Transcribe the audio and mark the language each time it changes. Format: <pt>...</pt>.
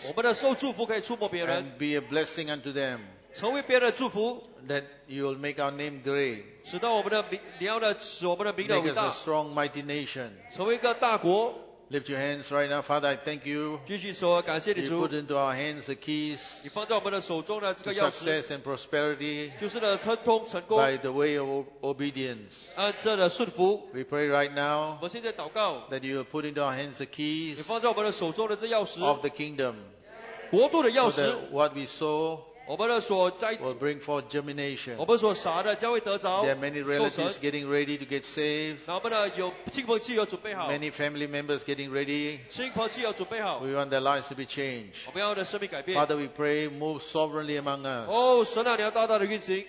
<zh>我们的受祝福可以触摸别人</zh> <en>and be a blessing unto them,</en> <zh>成为别人的祝福</zh> <en>that you will make our name great,</en> <zh>使到我们的名你要的使我们的名的伟大</zh> <en>make us a strong mighty nation,</en> <zh>成为一个大国</zh> <en>Lift your hands right now, Father, I thank you.</en> <zh>继续说，感谢你主。</zh> <en>You put into our hands the keys.</en> <zh>你放在我们的手中的这个钥匙。</zh> <en>Success and prosperity.</en> <zh>就是的，亨通成功。</zh> <en>By the way of obedience.</en> <zh>按着的顺服。</zh> <en>We pray right now.</en> <zh>我现在祷告。</zh> <en>That you put into our hands the keys.</en> <zh>你放在我们的手中的这钥匙。</zh> <en>Of the kingdom.</en> <zh>国度的钥匙。</zh> <en>So that what we sow.</en> <zh>我们的所栽。</zh> <en>Will bring forth germination.</en> <zh>我们所撒的将会得着。</zh> <en>There are many relatives getting ready to get saved.</en> <zh>那我们的有亲朋戚友准备好。</zh> <en>Many family members getting ready.</en> <zh>亲朋戚友准备好。</zh> <en>We want their lives to be changed.</en> <zh>我们要的生命改变。</zh> <en>Father, we pray, move sovereignly among us.</en> <zh>Oh, 神啊，你要大大的运行。</zh>